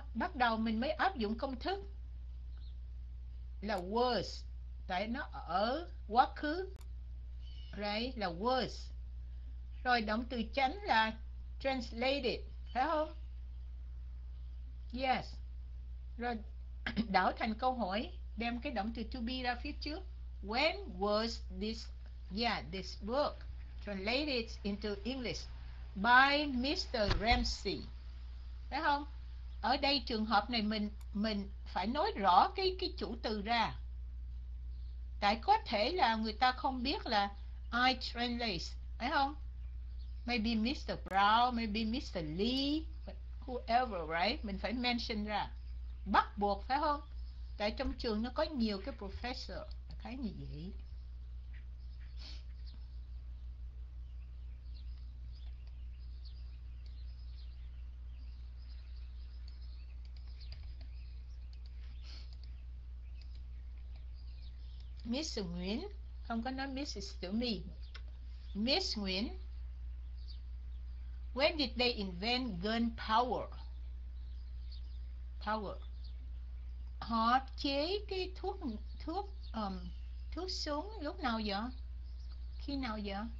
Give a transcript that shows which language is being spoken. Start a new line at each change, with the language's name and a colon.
Vietnamese: Bắt đầu mình mới áp dụng công thức. Là was, tại nó ở quá khứ, right, là was. Rồi động từ chánh là translated, phải không? Yes. Rồi đảo thành câu hỏi, đem cái động từ to be ra phía trước.
English: When was this, yeah, this book translated into English by Mr.
Vietnamese: Ramsey, phải không? Ở đây trường hợp này mình phải nói rõ cái chủ từ ra. Tại có thể là người ta không biết là
English: I translate,
Vietnamese: phải không?
English: Maybe Mr. Brown, maybe Mr. Lee, whoever, right?
Vietnamese: Mình phải mention ra. Bắt buộc, phải không? Tại trong trường nó có nhiều cái professor, khá như vậy. Miss Nguyễn, không có nói Mrs. Tiểu My.
English: Miss Nguyễn, when did they invent gun power? Power.
Vietnamese: Họ chế cái thuốc thuốc thuốc súng lúc nào vậy? Khi nào vậy?